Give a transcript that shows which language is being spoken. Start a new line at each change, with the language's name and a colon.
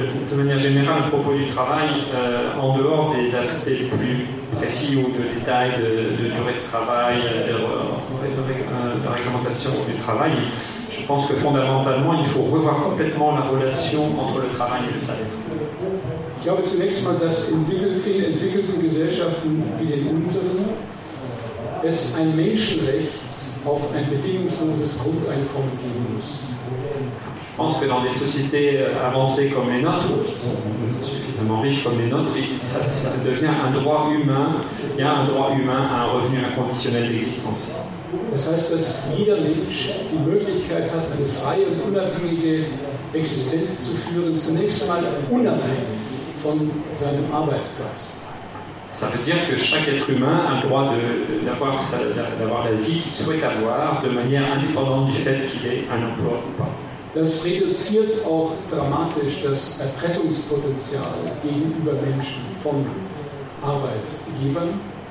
French: De manière générale, à propos du travail, en dehors des aspects plus précis ou de détails de durée de travail, de réglementation du travail, je pense que fondamentalement, il faut revoir complètement la relation entre le travail et le salaire.
German: Ich glaube zunächst mal, dass in entwickelten Gesellschaften wie den unseren es ein Menschenrecht auf ein bedingungsloses Grundeinkommen geben muss.
French: Je pense que dans des sociétés avancées comme les nôtres, suffisamment riches comme les nôtres, ça devient un droit humain, il y a un droit humain à un revenu inconditionnel d'existence.
German: Das heißt, dass jeder Mensch die Möglichkeit hat, eine freie und unabhängige Existenz zu führen, zunächst einmal unabhängig von seinem Arbeitsplatz.
French: Ça veut dire que chaque être humain a le droit d'avoir la vie qu'il souhaite avoir de manière indépendante du fait qu'il ait un emploi ou pas.
German: Das reduziert auch dramatisch das Erpressungspotenzial gegenüber Menschen von Arbeitgebern.